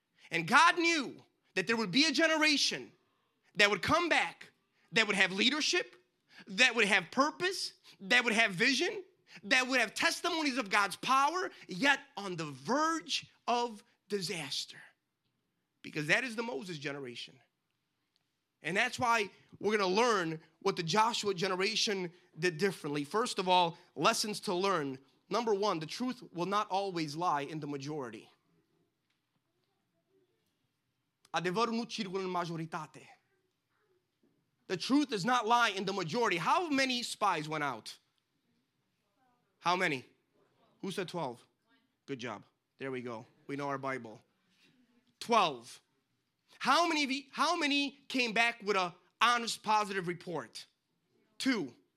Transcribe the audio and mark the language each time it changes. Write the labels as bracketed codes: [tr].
[en] And God knew that there would be a generation that would come back, that would have leadership, that would have purpose, that would have vision, that would have testimonies of God's power, yet on the verge of disaster. Because that is the Moses generation. And that's why we're going to learn what the Joshua generation did differently. First of all, lessons to learn. Number one, the truth will not always lie in the majority. [ro] Adevărul nu circulă în majoritate. [en] The truth does not lie in the majority. How many spies went out? How many? Who said 12? Good job. There we go. We know our Bible. 12. How many came back with an honest, positive report? Two.